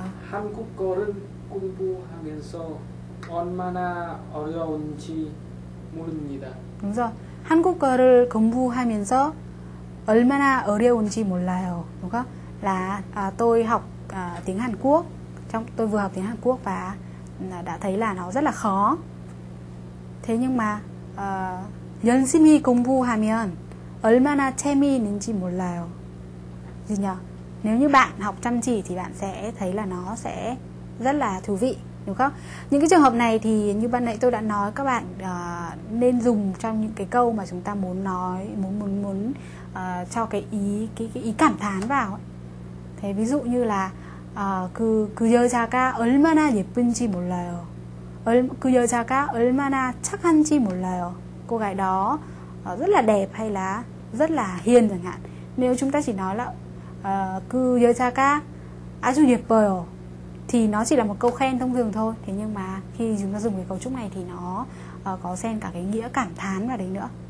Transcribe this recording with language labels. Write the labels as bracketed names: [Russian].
[Korean] 한국어를 공부하면서 얼마나 어려운지 모릅니다. 그래서 한국어를 공부하면서 얼마나 어려운지 몰라요. [Vietnamese] Đúng không? Là tôi học tiếng Hàn Quốc, trong tôi vừa học tiếng Hàn Quốc và đã thấy là nó rất là khó. Thế nhưng mà [Korean] 열심히 공부하면 얼마나 재미있는지 몰라요. [Vietnamese] Gì nhỉ? Nếu như bạn học chăm chỉ thì bạn sẽ thấy là nó sẽ rất là thú vị, đúng không? Những cái trường hợp này thì như ban nãy tôi đã nói, các bạn nên dùng trong những cái câu mà chúng ta muốn nói, muốn cho cái ý cảm thán vào ấy. Thế ví dụ như là [Korean] 그 여자가 얼마나 예쁜지 몰라요. 그 여자가 얼마나 착한지 몰라요. [Vietnamese] Cô gái đó rất là đẹp hay là rất là hiền chẳng hạn. Nếu chúng ta chỉ nói là [Korean] 그 여자가 아주 예뻐요 [Vietnamese] thì nó chỉ là một câu khen thông thường thôi. Thế nhưng mà khi chúng ta dùng cái cấu trúc này thì nó có xen cả cái nghĩa cảm thán vào đấy nữa.